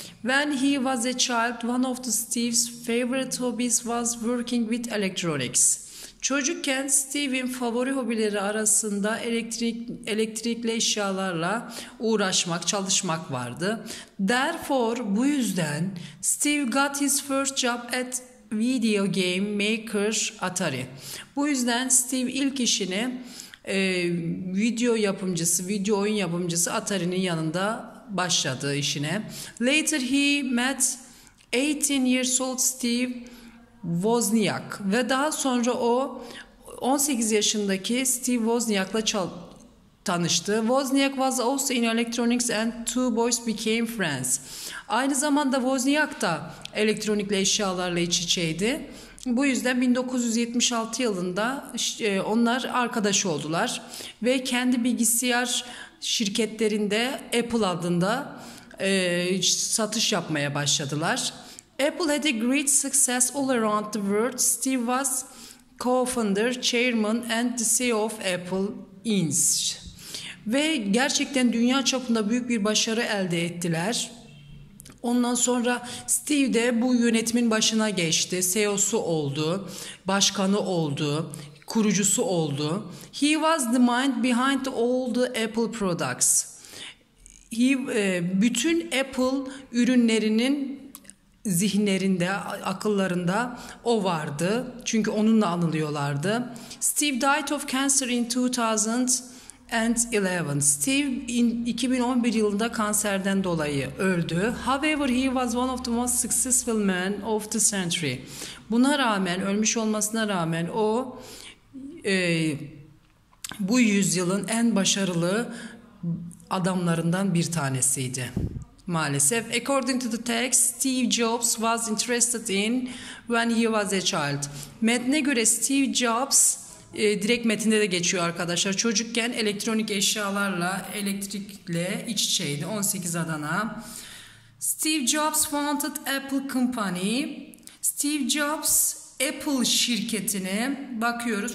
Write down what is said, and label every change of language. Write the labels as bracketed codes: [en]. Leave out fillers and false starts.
[en] When he was a child, one of the Steve's favorite hobbies was working with electronics. [tr] Çocukken Steve'in favori hobileri arasında elektrikli eşyalarla uğraşmak, çalışmak vardı. [en] Therefore, [tr] bu yüzden [en] Steve got his first job at video game maker Atari. [tr] Bu yüzden Steve ilk işini video yapımcısı, video oyun yapımcısı Atari'nin yanında başladı işine. [en] Later he met 18 years old Steve Wozniak [tr] ve daha sonra o 18 yaşındaki Steve Wozniak'la tanıştı. [en] Wozniak was also in electronics and two boys became friends. [tr] Aynı zamanda Wozniak da elektronikli eşyalarla iç içeydi. Bu yüzden 1976 yılında onlar arkadaş oldular ve kendi bilgisayar şirketlerinde Apple adında satış yapmaya başladılar. [en] Apple had a great success all around the world. Steve was co-founder, chairman and the CEO of Apple Inc. [tr] Ve gerçekten dünya çapında büyük bir başarı elde ettiler. Ondan sonra Steve de bu yönetimin başına geçti. CEO'su oldu, başkanı oldu, kurucusu oldu. [en] He was the mind behind all the Apple products. [tr] Bütün Apple ürünlerinin zihinlerinde, akıllarında o vardı. Çünkü onunla anılıyorlardı. [en] Steve died of cancer in 2011. [tr] Steve 2011 yılında kanserden dolayı öldü. [en] However, he was one of the most successful men of the century. [tr] Buna rağmen, ölmüş olmasına rağmen o bu yüzyılın en başarılı adamlarından bir tanesiydi. Maalesef. [en] According to the text, Steve Jobs was interested in when he was a child. [tr] Metne göre Steve Jobs direkt metinde de geçiyor arkadaşlar. Çocukken elektronik eşyalarla, elektrikle iç içeydi. [en] 18 Adana. Steve Jobs founded Apple Company. [tr] Steve Jobs Apple şirketini bakıyoruz.